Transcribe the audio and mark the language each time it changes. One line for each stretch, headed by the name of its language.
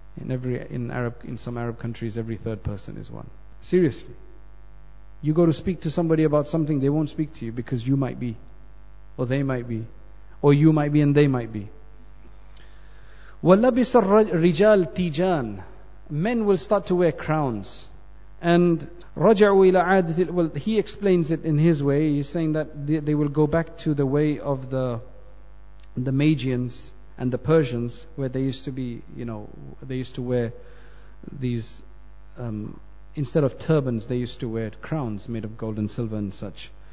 English: In some Arab countries, every third person is one. Seriously. You go to speak to somebody about something, they won't speak to you because you might be. Or they might be. Or you might be and they might be.
Arabic: وَلَّبِسَ الرِّجَالِ تِيجَانِ. Men will start to wear crowns. And رَجَعُوا إِلَىٰ عَادَةِ.
English: Well, he explains it in his way. He's saying that they will go back to the way of the Magians and the Persians, where they used to be, you know, they used to wear these, instead of turbans, they used to wear crowns made of gold and silver and such.